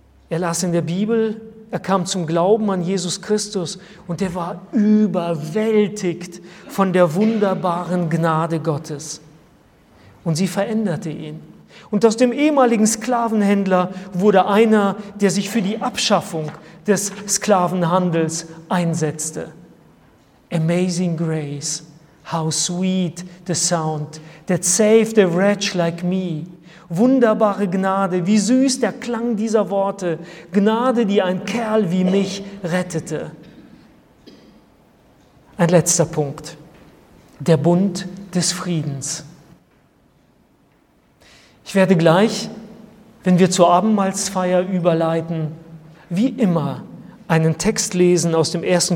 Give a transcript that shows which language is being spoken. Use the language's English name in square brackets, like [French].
[German] Er las in der Bibel, er kam zum Glauben an Jesus Christus und er war überwältigt von der wunderbaren Gnade Gottes. Und sie veränderte ihn. Und aus dem ehemaligen Sklavenhändler wurde einer, der sich für die Abschaffung des Sklavenhandels einsetzte. [English] Amazing Grace, how sweet the sound that saved a wretch like me. [German] Wunderbare Gnade, wie süß der Klang dieser Worte. Gnade, die ein Kerl wie mich rettete. Ein letzter Punkt. Der Bund des Friedens. Ich werde gleich, wenn wir zur Abendmahlsfeier überleiten, wie immer einen Text lesen aus dem 1.